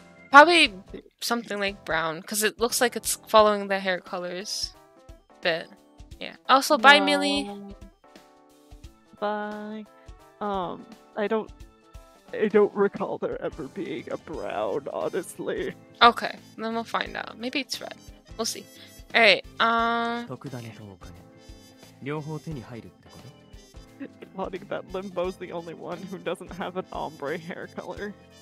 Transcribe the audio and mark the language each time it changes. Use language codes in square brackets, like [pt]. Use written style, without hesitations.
[en] Probably something like brown, because it looks like it's following the hair colors bit. Yeah. Also, bye, Millie. Bye. I don't recall there ever being a brown, honestly. Okay, then we'll find out. Maybe it's red. We'll see. Alright, [ja] 特ダネとお金、両方手に入るってこと？ [en] Funny that Limbo's the only one who doesn't have an ombre hair color.